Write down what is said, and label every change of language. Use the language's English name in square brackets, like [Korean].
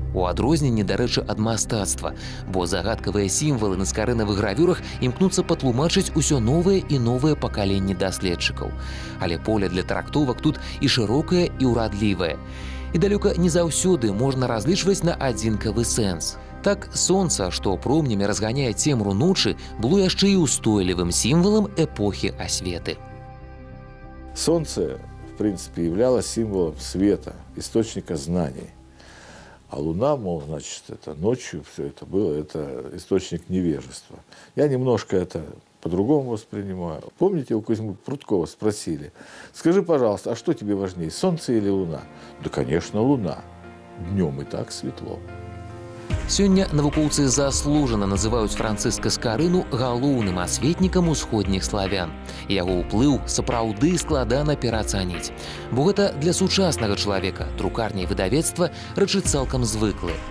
[Belarusian] У адрозненні, дарэчы, ад мастацтва, бо загадкавыя сімвалы на скарынавых гравюрах імкнуцца патлумачыць усё новае і новае пакаленні даследчыкаў. Але поле для трактовак тут і шырокае, і ўрадлівае. І далёка не заўсёды можна разлічваць на адзінкавы сэнс. Так сонца, што промнямі разганяе цемру ночы, было яшчэ і ўстойлівым сімвалам эпохі асветы. [Russian] Сонце, в принципе, являло символом света, источника знаний. А луна, мол, значит, это ночью все это было, это источник невежества. Я немножко это по-другому воспринимаю. Помните, у Кузьмы Пруткова спросили: скажи, пожалуйста, а что тебе важнее, солнце или луна? Да, конечно, луна. Днем и так светло. [Belarusian] Сёння навукоўцы заслужана называюць Францыска Скарыну галоўным асветнікам усходніх славян. Яго ўплыў сапраўды складана пераацаніць. Бо гэта для сучаснага чалавека друкарня і выдавецтва рэчы цалкам звыклы.